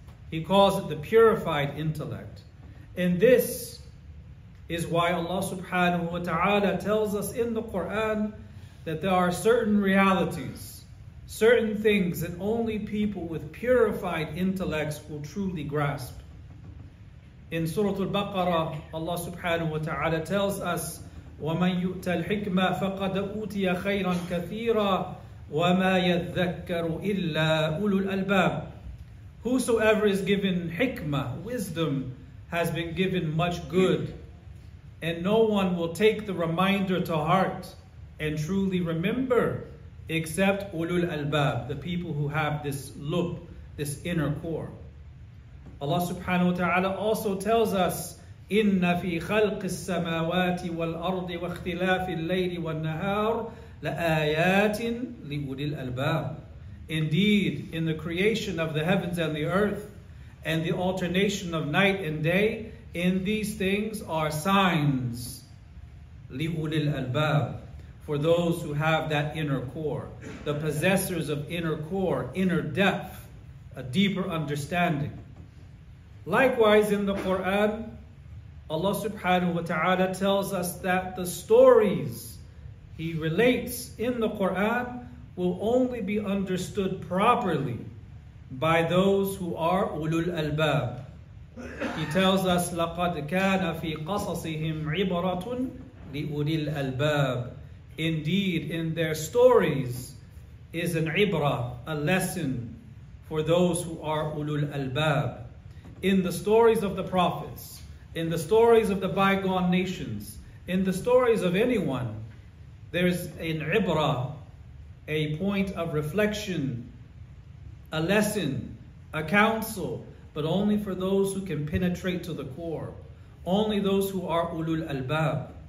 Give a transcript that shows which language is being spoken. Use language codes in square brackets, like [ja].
[en] He calls it the purified intellect. And this is why Allah subhanahu wa ta'ala tells us in the Quran that there are certain realities, certain things that only people with purified intellects will truly grasp. In Surah Al-Baqarah, Allah subhanahu wa ta'ala tells us, [ar] وَمَنْ يُؤْتَى الْحِكْمَةَ فَقَدْ أُوْتِيَ خَيْرًا كَثِيرًا وَمَا يَذَّكَّرُ إِلَّا أُولُو الْأَلْبَابِ. [en] Whosoever is given hikmah, wisdom, has been given much good, and no one will take the reminder to heart and truly remember except Ulul Albab, the people who have this lub, this inner core. Allah subhanahu wa ta'ala also tells us, [ar] إِنَّ فِي خَلْقِ السَّمَاوَاتِ وَالْأَرْضِ وَاخْتِلَافِ اللَّيْلِ وَالنَّهَارِ لَآيَاتٍ لِأُولِي الْأَلْبَابِ. [en] Indeed, in the creation of the heavens and the earth, and the alternation of night and day, in these things are signs, [ar] لِأُولِي الْأَلْبَابِ, [en] for those who have that inner core, the possessors of inner core, inner depth, a deeper understanding. Likewise, in the Quran, Allah subhanahu wa ta'ala tells us that the stories he relates in the Quran will only be understood properly by those who are ulul albab. He tells us, [ar] لَقَدْ كَانَ فِي قَصَصِهِمْ عِبَرَةٌ لِأُولِي الْأَلْبَابِ. [en] Indeed, in their stories is an ibrah, a lesson for those who are ulul albab. In the stories of the prophets, in the stories of the bygone nations, in the stories of anyone, there's an ibrah, a point of reflection, a lesson, a counsel, but only for those who can penetrate to the core, only those who are ulul albab.